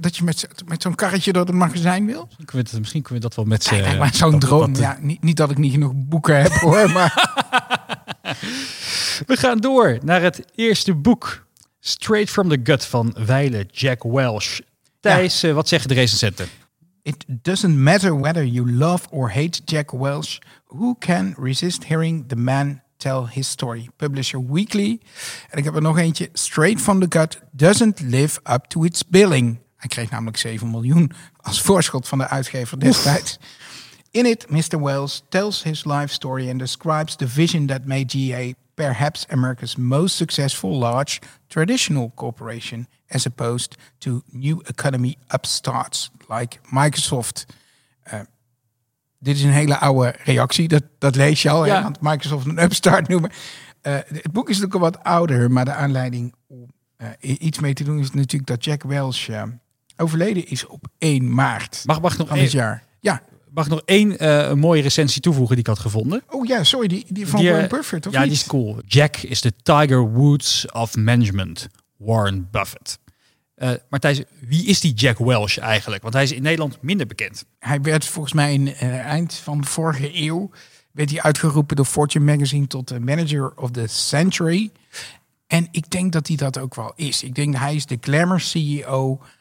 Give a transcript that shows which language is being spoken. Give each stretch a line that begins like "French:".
Dutch: dat je met zo'n karretje door het magazijn wil? Misschien kunnen we dat wel met z'n... Kijk, maar zo'n droom. Ja, niet dat ik niet genoeg boeken heb, hoor. Maar... We gaan door naar het eerste boek. Straight from the Gut van Wijlen, Jack Welch. Thijs, ja. Wat zeggen de recensenten?
English: It doesn't matter whether you love or hate Jack Welch. Who can resist hearing the man tell his story? Publisher Weekly.
Dutch: En ik heb er nog eentje.
English: Straight from the Gut doesn't live up to its billing.
Dutch: Hij kreeg namelijk 7 miljoen als voorschot van de uitgever destijds.
English: In it, Mr. Welch tells his life story and describes the vision that made GA perhaps America's most successful large traditional corporation, as opposed to new economy upstarts like Microsoft.
Dutch: Dit is een hele oude reactie, dat lees je al, ja. Want Microsoft een upstart noemen. Het boek is natuurlijk al wat ouder, maar de aanleiding om iets mee te doen is natuurlijk dat Jack Welch overleden is op 1 maart van dit jaar. Ja. Mag ik nog één mooie recensie toevoegen die ik had gevonden? Oh ja, sorry, die van Warren Buffett, of ja, niet? Ja, die is cool.
English: Jack is the Tiger Woods of management, Warren Buffett.
Dutch: Maar Thijs, wie is die Jack Welch eigenlijk? Want hij is in Nederland minder bekend. Hij werd volgens mij in eind van de vorige eeuw werd hij uitgeroepen door Fortune Magazine tot de
English: manager of the century.
Dutch: En ik denk dat hij dat ook wel is. Ik denk dat hij is de glamour CEO...